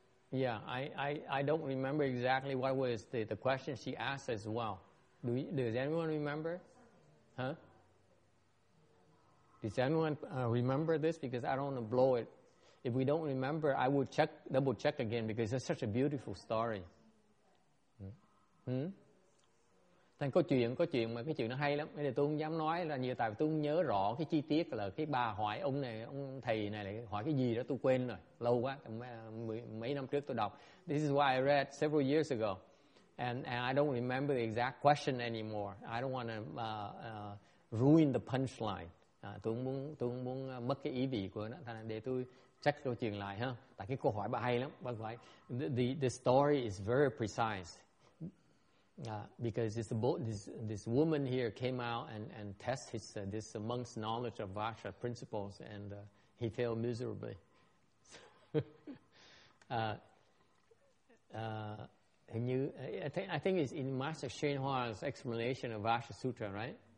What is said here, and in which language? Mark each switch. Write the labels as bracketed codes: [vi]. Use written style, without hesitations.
[en] Yeah, I don't remember exactly what was the question she asked as well. Does anyone remember? Huh? Does anyone remember this? Because I don't want to blow it. If we don't remember, I will check, double check again, because it's such a beautiful story. [vi] Thành có chuyện mà cái chuyện nó hay lắm. Nên tôi không dám nói là nhiều tại vì tôi không nhớ rõ cái chi tiết là cái bà hỏi ông này, ông thầy này hỏi cái gì đó tôi quên rồi. Lâu quá, mấy năm trước tôi đọc. [en] This is why I read several years ago. And I don't remember the exact question anymore. I don't want to ruin the punchline. [vi] Tôi không muốn mất cái ý vị của nó. Thành để tôi check câu chuyện lại ha. Tại cái câu hỏi bà hay lắm. Bà hỏi, [en] the story is very precise. Because this woman here came out and test his this monk's knowledge of Vajra principles and he failed miserably. I think it's in Master Shen Hua's explanation of Vajra Sutra, right?